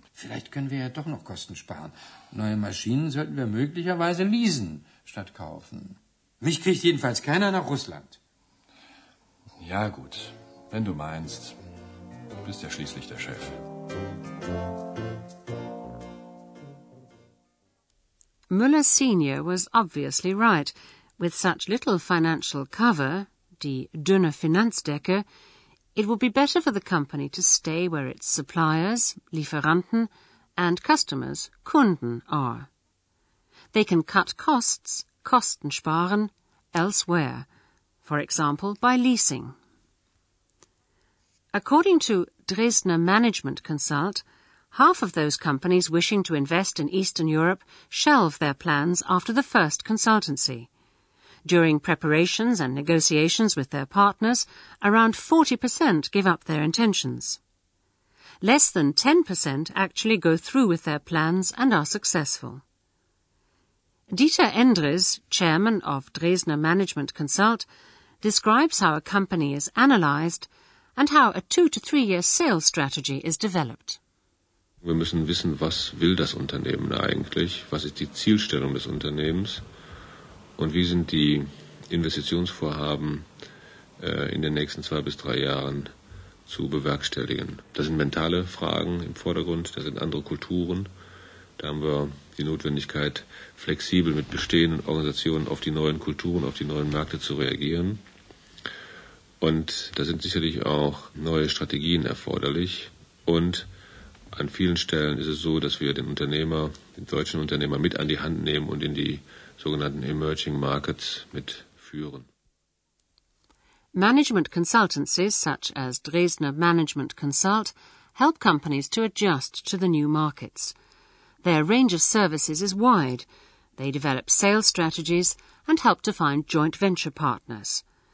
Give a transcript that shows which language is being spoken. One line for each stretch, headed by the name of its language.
German: Vielleicht können wir ja doch noch Kosten sparen. Neue Maschinen sollten wir möglicherweise leasen statt kaufen. Mich kriegt jedenfalls keiner nach Russland. Ja gut, wenn du meinst, du bist ja schließlich der Chef.
English: Müller Senior was obviously right. With such little financial cover,
German: die dünne Finanzdecke,
English: it would be better for the company to stay where its suppliers, Lieferanten, and customers, Kunden, are. They can cut costs,
German: Kosten sparen,
English: elsewhere, for example, by leasing. According to Dresdner Management Consult, half of those companies wishing to invest in Eastern Europe shelve their plans after the first consultancy. During preparations and negotiations with their partners, around 40% give up their intentions. Less than 10% actually go through with their plans and are successful. Dieter Endres, chairman of Dresdner Management Consult, describes how a company is analyzed and how a 2-3-year sales strategy is developed.
German: Wir müssen wissen, was will das Unternehmen eigentlich? Was ist die Zielstellung des Unternehmens? Und wie sind die Investitionsvorhaben in den nächsten 2 bis 3 Jahren zu bewerkstelligen. Das sind mentale Fragen im Vordergrund, das sind andere Kulturen. Da haben wir die Notwendigkeit, flexibel mit bestehenden Organisationen auf die neuen Kulturen, auf die neuen Märkte zu reagieren. Und da sind sicherlich auch neue Strategien erforderlich. Und an vielen Stellen ist es so, dass wir den Unternehmer, den deutschen Unternehmer mit an die Hand nehmen und in die sogenannten Emerging Markets mitführen.
English: Management consultancies such as Dresdner Management Consult help companies to adjust to the new markets. Their range of services is wide. They develop sales strategies and help to find joint venture partners.